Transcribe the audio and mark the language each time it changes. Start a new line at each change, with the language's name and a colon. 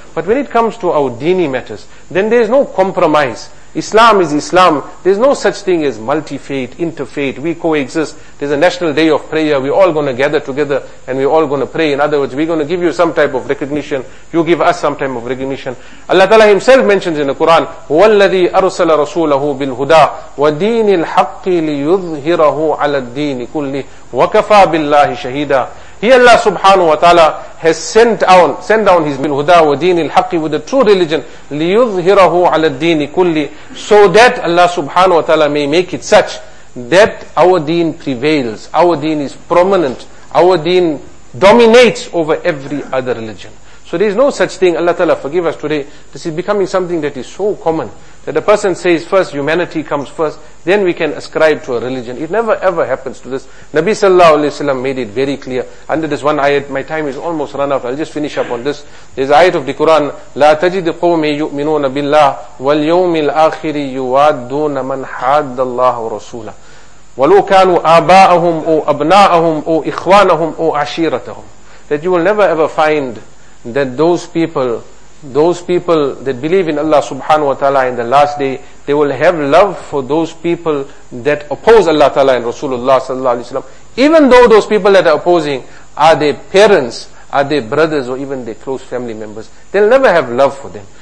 English: But when it comes to our deeni matters, then there is no compromise. Islam is Islam. There's no such thing as multi-faith, interfaith. We coexist. There's a national day of prayer. We're all going to gather together and we're all going to pray. In other words, we're going to give you some type of recognition. You give us some type of recognition. Allah Ta'ala himself mentions in the Quran,
Arabic: هو الذي أرسل رسوله بالهدى ودين الحق ليظهره على الدين كله وكفى بالله شهيدا.
English: He Allah subhanahu wa ta'ala has sent down his bin huda wa deen il haqqi with the true religion, liyudhhirahu ala deen kulli, so that Allah subhanahu wa ta'ala may make it such that our deen prevails, our deen is prominent, our deen dominates over every other religion. So there is no such thing. Allah ta'ala forgive us today. This is becoming something that is so common that a person says first humanity comes first, then we can ascribe to a religion. It never ever happens to this. Nabi sallallahu alayhi wa sallam made it very clear. Under this one ayat, my time is almost run out. I'll just finish up on this. There's ayat of the Quran,
Arabic: لَا تَجِدِ قُوْمِ يُؤْمِنُونَ بِاللَّهِ وَالْيَوْمِ الْآخِرِ يُوَادُّونَ مَنْ حَادَّ اللَّهُ رَسُولَهُ ولو كانوا آباءهم أو أبناءهم أو إخوانهم أو عشيرتهم.
English: That you will never ever find that those people that believe in Allah subhanahu wa ta'ala in the last day, they will have love for those people that oppose Allah ta'ala and Rasulullah sallallahu alayhi wa sallam. Even though those people that are opposing are their parents, are their brothers, or even their close family members, they'll never have love for them.